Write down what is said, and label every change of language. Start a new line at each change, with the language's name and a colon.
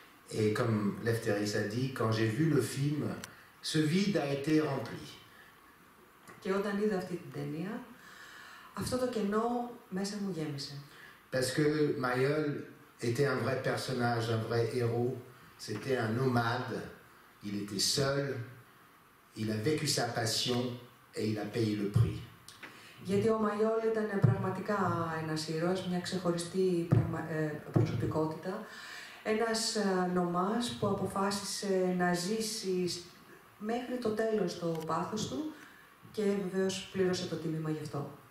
French: Et comme Lefteris a dit, quand j'ai vu le film, ce vide a été rempli.
Greek: Και όταν είδα αυτή την ταινία, αυτό το κενό μέσα μου γέμισε.
French: Parce que Maillol était un vrai personnage, un vrai héros. C'était un nomade. Il était seul. Il a vécu sa passion et il a payé le prix.
Greek: Γιατί ο Μαγιόλ ήταν πραγματικά ένας ήρωας, μια ξεχωριστή προσωπικότητα. Ένας νομάς που αποφάσισε να ζήσει μέχρι το τέλος το πάθος του και βεβαίως πλήρωσε το τίμημα γι' αυτό.